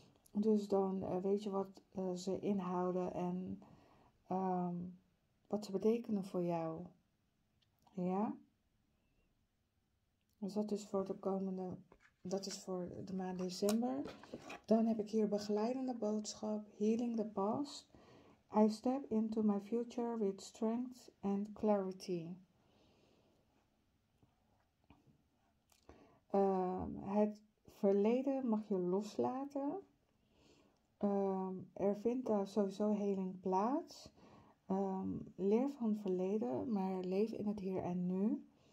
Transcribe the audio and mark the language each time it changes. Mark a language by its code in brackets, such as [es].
[nl] Dus dan weet je wat ze inhouden en wat ze betekenen voor jou. Ja? Dus dat is voor de komende. Dat is voor de maand december. Dan heb ik hier begeleidende boodschap. [en] Healing the past. I step into my future with strength and clarity. [nl] Het verleden mag je loslaten. Er vindt daar sowieso heling plaats. Leer van het verleden, maar leef in het hier en nu.